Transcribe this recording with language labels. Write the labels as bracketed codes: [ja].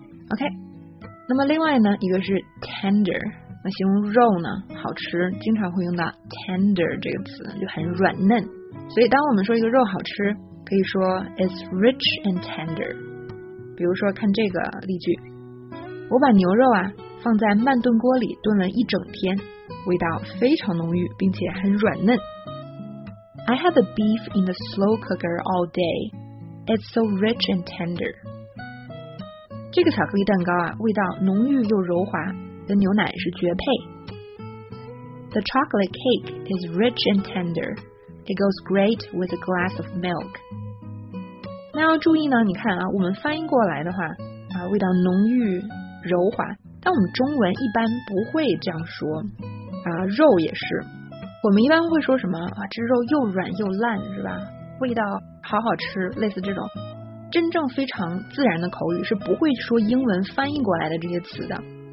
[zh] OK， 那么另外呢，一个是 tender。那形容肉呢好吃，经常会用到 tender 这个词，就很软嫩。所以当我们说一个肉好吃，可以说 [en] it's rich and tender。 [zh] 比如说看这个例句，我把牛肉啊放在慢炖锅里炖了一整天，味道非常浓郁并且很软嫩。 [en] I had the beef in the slow cooker all day. It's so rich and tender. [zh] 这个巧克力蛋糕啊，味道浓郁又柔滑，跟牛奶是绝配。 [en] The chocolate cake is rich and tender. It goes great with a glass of milk. [zh] 那要注意呢，你看啊，我们翻译过来的话啊，味道浓郁柔滑，但我们中文一般不会这样说啊。肉也是，我们一般会说什么啊，这肉又软又烂，是吧？味道好好吃，类似这种真正非常自然的口语是不会说英文翻译过来的这些词的。